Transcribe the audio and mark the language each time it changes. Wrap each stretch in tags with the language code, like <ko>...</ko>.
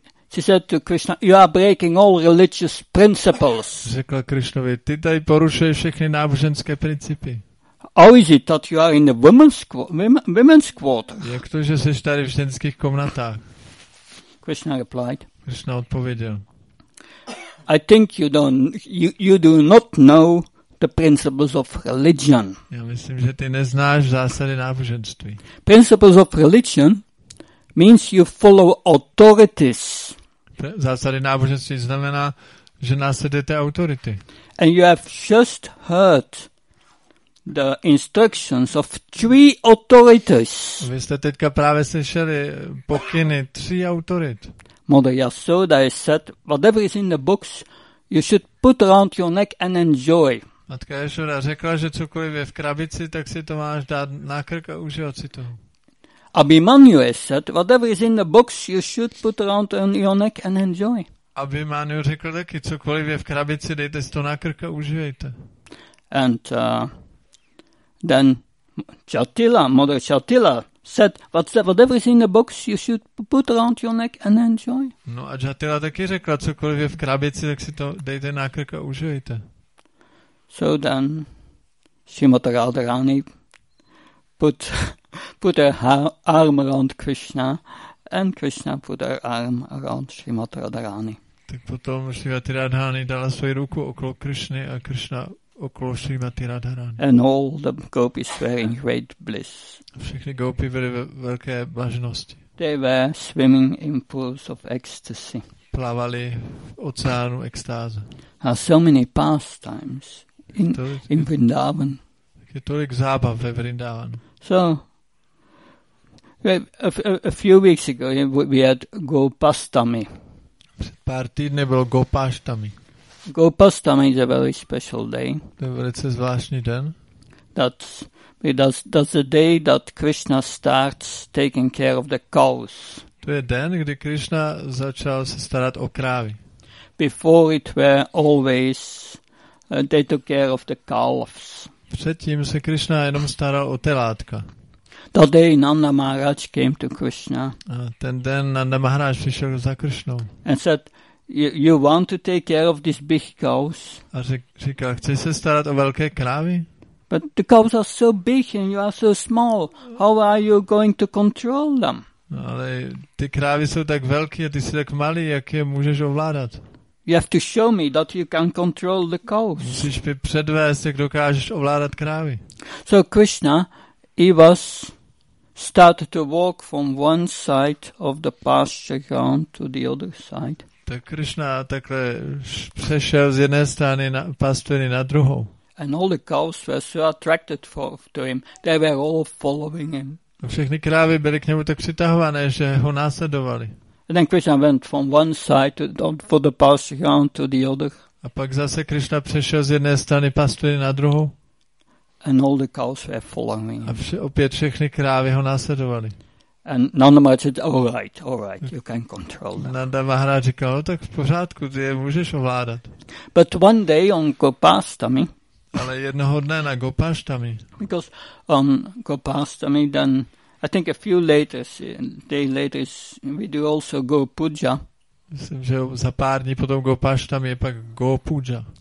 <en>She said to Krishna, "You are breaking all religious principles."</en> <cs>Řekla Krishnovi, ty tady porušuješ všechny náboženské principy.</cs> <en>How is it that you are in the women's quarter?</en> <cs>Jak to, že jsi tady v ženských komnatách?</cs> <en>Krishna replied.</en> <cs>Krishna odpověděl.</cs> <en>I think you do not know the principles of religion.</en> <cs>Já myslím, že ty neznáš zásady náboženství.</cs> <en>Principles of religion means you follow authorities.</en> <cs>Zásady náboženství znamená, že následujete autority.</cs> <en>And you have just heard the instructions of three authorities.</en> <cs>Vy jste teďka právě slyšeli pokyny tří autorit.</cs> <en>Mother Yashoda said, whatever is in the box, you should put around your neck and enjoy.</en> <cs>Matka Yashoda řekla, že cokoliv je v krabici, tak si to máš dát na krk a užívat si toho.</cs> <en>Abhimanyu said, whatever is in the box, you should put around your neck and enjoy.</en> <cs>Abhimanyu řekl taky, cokoliv je v krabici, dejte si to na krk a užijte.</cs> <en>And then Chatila, Mother Chatila said, whatever is in the box, you should put around your neck and enjoy.</en> <cs>No a Chatila taky řekla, cokoliv je v krabici, tak si to dejte na krk a užijte.</cs> <en>So then Srimati Radharani put her arm around Krishna and Krishna put her arm around Srimati Radharani.</en> <cs>Tak potom Srimati Radharani dala svoji ruku okolo Krishny a Krishna okolo Srimati Radharani.</cs> <en>And all the gopis were in great bliss.</en> <cs>Všichni gopi byli ve velké blaženosti.</cs> <en>They were swimming in pools of ecstasy.</en> <cs>Plavali v oceánu extáze.</cs> <en>And so many pastimes in Vrindavan.</en> <cs>Je tolik zábav ve Vrindavanu.</cs> <en>So, a few weeks ago we had Gopastami.</en> <cs>Před pár týdny bylo Gopastami.</cs> <en>Gopastami is a very special day.</en> <cs>To je velice zvláštní den.</cs> <en>That's the day that Krishna starts taking care of the cows.</en> <cs>To je den, kdy Krishna začal se starat o krávy.</cs> <en>Before it were always they took care of the calves.</en> <cs>Předtím se Krishna jenom staral o telátka.</cs> <en>The day Nanda Maharaj came to Krishna.</en> <cs>A ten den Nanda Maharaj přišel za Krishnou.</cs> <en>And said, you want to take care of these big cows?</en> <cs>A říkal, chceš se starat o velké krávy?</cs> <en>But the cows are so big and you are so small. How are you going to control them?</en> <cs>No, ale ty krávy jsou tak velké a ty jsi tak malý, jak je můžeš ovládat?</cs> <en>You have to show me that you can control the cows.</en> <cs>Musíš mi předvést, jak dokážeš ovládat krávy.</cs> <en>So Krishna, he was started to walk from one side of the pasture ground to the other side.</en> <cs>Tak Krishna takhle přešel z jedné strany na pastviny na druhou.</cs> <en>And all the cows were so attracted to him. They were all following him.</en> <cs>A všechny krávy byly k němu tak přitahované, že ho následovali.</cs> <en>And then Krishna went from one side for the pasture ground to the other.</en> <cs>A pak zase Krishna přešel z jedné strany pastviny na druhou.</cs> <en>And all the cows were following.</en> <cs>A opět všechny krávy ho následovali.</cs> <en>And Nanda Maharaj said, all right, you can control them.</en> <cs>Nanda Maharaj říkal, tak v pořádku, ty je můžeš ovládat.</cs> <en>But one day on Gopastami.</en> <cs>Ale jednoho dne na Gopastami.</cs> <en>Because on Gopastami then I think a few later, day later, we do also Go Puja.</en> <cs>Myslím, že za pár dní potom Gopastami je pak Go Puja.</cs>